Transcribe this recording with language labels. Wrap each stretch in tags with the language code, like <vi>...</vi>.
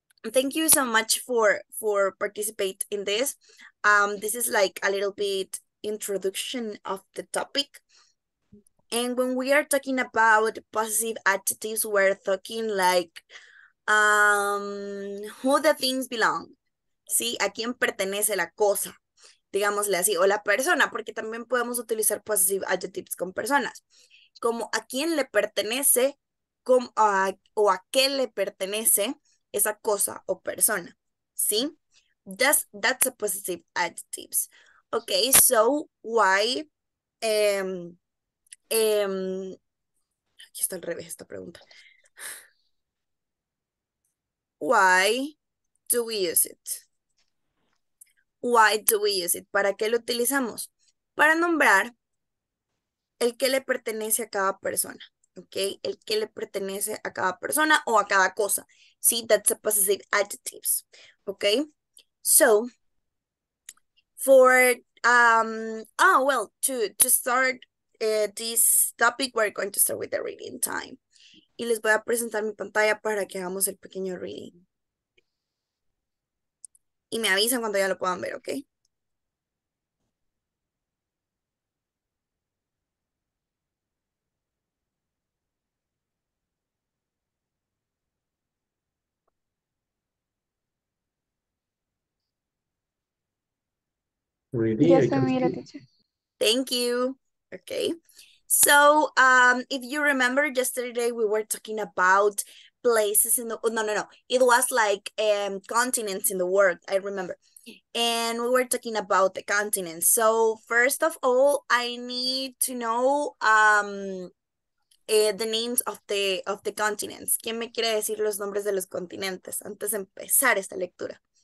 <en>Thank you so much for participate in this. This is like a little bit introduction of the topic. And when we are talking about possessive adjectives, we're talking like who the things belong.</en> <es>¿Sí? ¿A quién pertenece la cosa? Digámosle así, o la persona, porque también podemos utilizar possessive adjectives con personas. Como a quién le pertenece, o a qué le pertenece esa cosa o persona, ¿sí?</es> <en>That's a possessive adjectives. Okay, so why,</en> <es>aquí está al revés esta pregunta.</es> <en>Why do we use it? Why do we use it?</en> <es>¿Para qué lo utilizamos? Para nombrar el que le pertenece a cada persona. ¿Ok? El que le pertenece a cada persona o a cada cosa.</es> <en>Sí, that's a possessive adjective. ¿Ok? So, for, to start this topic, we're going to start with the reading time.</en> <es>Y les voy a presentar mi pantalla para que hagamos el pequeño reading. Y me avisan cuando ya lo puedan ver, ¿ok? Ya se mira, teacher.</es> <en>Thank you. Okay. So, if you remember, yesterday we were talking about places in the, it was like continents in the world, I remember. And we were talking about the continents. So first of all, I need to know the names of the continents.</en> <es>¿Quién me quiere decir los nombres de los continentes antes de empezar esta lectura?</es>